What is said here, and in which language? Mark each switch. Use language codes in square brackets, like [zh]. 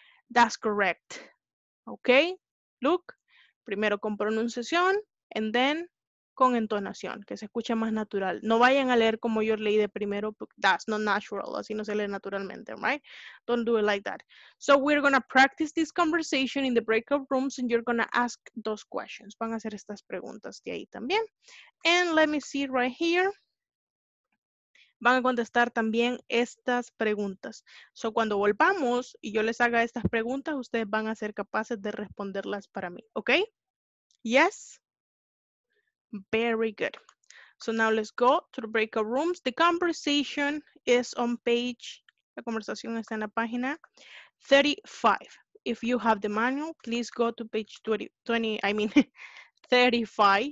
[en] That's correct. Okay, look, [es] primero con pronunciación, and then con entonación, que se escuche más natural. No vayan a leer como yo leí de primero, [en] that's not natural, [es] así no se lee naturalmente, [en] right? Don't do it like that. So we're going to practice this conversation in the breakout rooms and you're going to ask those questions. [es] Van a hacer estas preguntas de ahí también. [en] And let me see right here. [es] Van a contestar también estas preguntas. So cuando volvamos y yo les haga estas preguntas, ustedes van a ser capaces de responderlas para mí, okay? [en] Yes? Very good. So now let's go to the breakout rooms. The conversation is on page, [es] la conversación está en la página 35. [en] If you have the manual, please go to page 35.